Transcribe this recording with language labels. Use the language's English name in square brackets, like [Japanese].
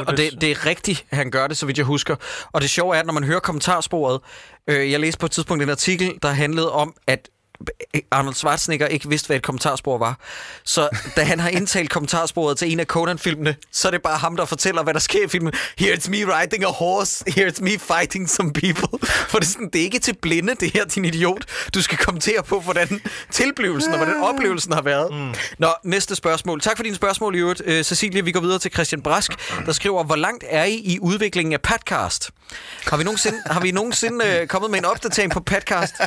[Danish] Og det er rigtigt, han gør det, så vidt jeg husker. Og det sjove er, at når man hører kommentarsporet, jeg læste på et tidspunkt en artikel, der handlede om, at Arnold Schwarzenegger ikke vidste, hvad et kommentarspor var. Så da han har indtalt kommentarsporet til en af Conan-filmene, så er det bare ham, der fortæller, hvad der sker i filmen. [English] Here it's me riding a horse. Here it's me fighting some people. [Danish] For det er sådan, det er ikke til blinde, det her, din idiot. Du skal kommentere på, hvordan tilblivelsen og hvordan oplevelsen har været. Nå, næste spørgsmål. Tak for dine spørgsmål, Jørgen. Cecilie, vi går videre til Christian Brask, der skriver, hvor langt er I i udviklingen af podcast? Har vi nogensinde, kommet med en opdatering på podcast?